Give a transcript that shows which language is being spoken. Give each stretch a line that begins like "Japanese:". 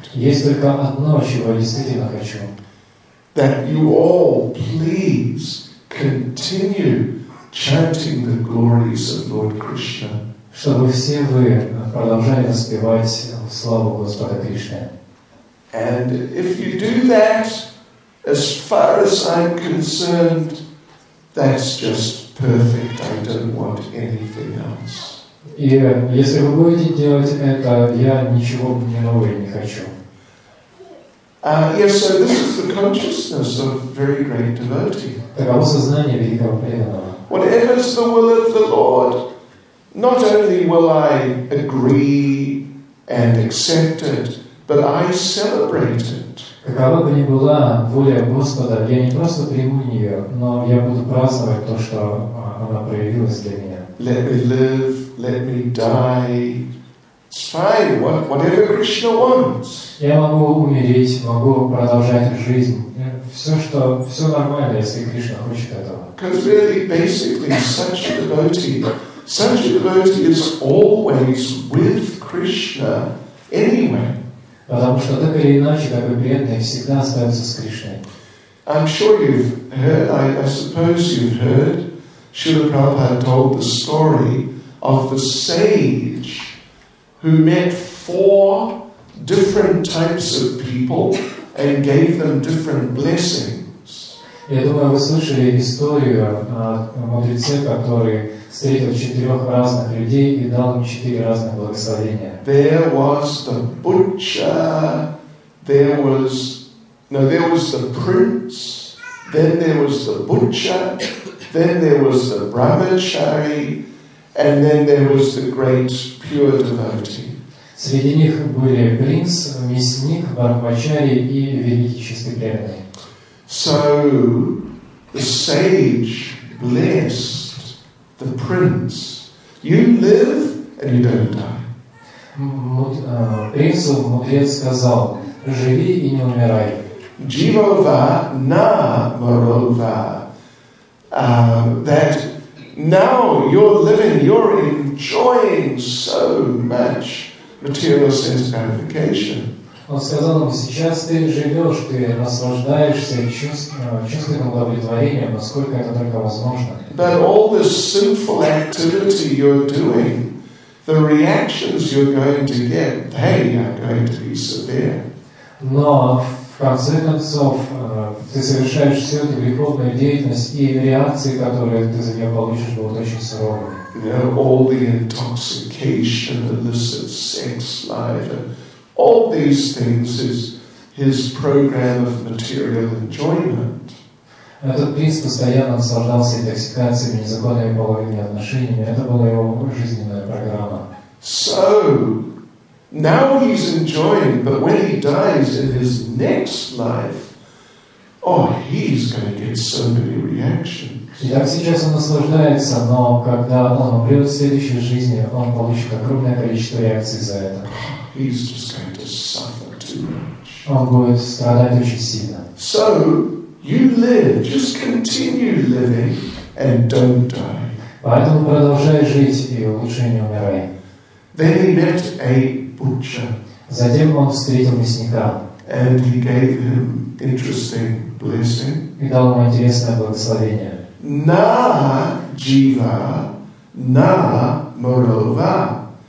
Russian: Есть только одно, чего я действительно хочу.
English: That you all please continue chanting the glories of Lord Krishna.
Russian: Чтобы все вы продолжали воспевать славу Господа Кришны.
English: And if you do that, as far as I'm concerned, that's just perfect. I don't want anything else.
Russian: И если вы будете делать это, я ничего нового не хочу.
English: Yes, so this is the consciousness of very great devotee.
Russian: Таково сознание великого преданного.
English: Whatever is the will of the Lord, not only will I agree and accept it, but I celebrate it.
Russian: Какова бы ни была воля Господа, я не просто приму ее, но я буду праздновать то, что она проявилась для меня.
English: Let me live, let me die. It's fine, whatever Krishna wants.
Russian: Я могу умереть, могу продолжать жизнь. Все нормально, если Кришна хочет этого.
English: Because really, basically, such a devotee. Such a devotee is always with Krishna anyway.
Russian: Потому что так или иначе, как и преданный, всегда остается с Кришной.
English: I'm sure you've heard, I suppose you've heard, Srila Prabhupada told the story of the sage who met four different types of people and gave them different blessings.
Russian: Я думаю, вы слышали историю о мудреце, который встретил четырех разных людей и дал им четыре разных благословения.
English: There was the butcher, there was the prince, then there was the butcher, then there was the brahmachari, and then there was the great pure devotee.
Russian: Среди них были принц, мясник, брахмачари и великий чистый преданный.
English: So the sage blessed the prince. You live and you don't die.
Russian: Принцу мудрец сказал: живи и не умирай.
Sanskrit: Jivova na marova.
English: That now you're living, you're enjoying so much material sense gratification.
Russian: Он сказал ему: сейчас ты живешь, ты наслаждаешься чувственным удовлетворением, насколько это только возможно.
English: But all the sinful activity you're doing, the reactions you're going to get, they are going to be severe.
Russian: Но в конце концов ты совершаешь всю эту греховную деятельность, и реакции, которые ты за нее получишь, будут очень суровыми.
English: You know, all the intoxication, illicit sex life, all these things is his program of material enjoyment.
Russian: Этот принц постоянно наслаждался интоксикациями, незаконными половыми отношениями. Это была его жизненная программа.
English: So now he's enjoying, but when he dies in his next life, oh, he's going to get so many reactions.
Russian: Итак, сейчас он наслаждается, но когда он умрет в следующей жизни, он получит огромное количество реакций за это.
English: He's just going to suffer too much.
Russian: Он будет страдать очень сильно.
English: So you live, just continue living and don't die.
Russian: Поэтому продолжай жить и лучше не умирай.
English: Then he met a butcher.
Russian: Затем он встретил мясника.
English: And he gave him interesting blessing.
Russian: И дал ему интересное благословение.
Sanskrit: Na jiva, na morova.